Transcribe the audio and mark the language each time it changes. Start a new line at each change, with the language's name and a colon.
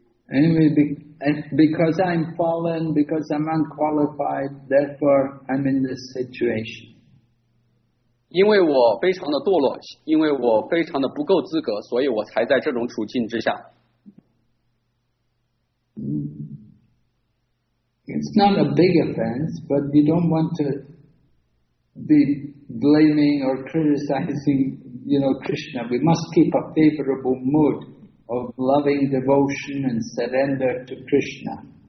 English: Anyway, because I'm fallen, because I'm unqualified, therefore I'm in this situation.
Chinese: 因为我非常的堕落，因为我非常的不够资格，所以我才在这种处境之下。
English: It's not a big offense, but you don't want to be blaming or criticizing, you know, Krishna. We must keep a favorable mood of loving devotion and surrender to Krishna.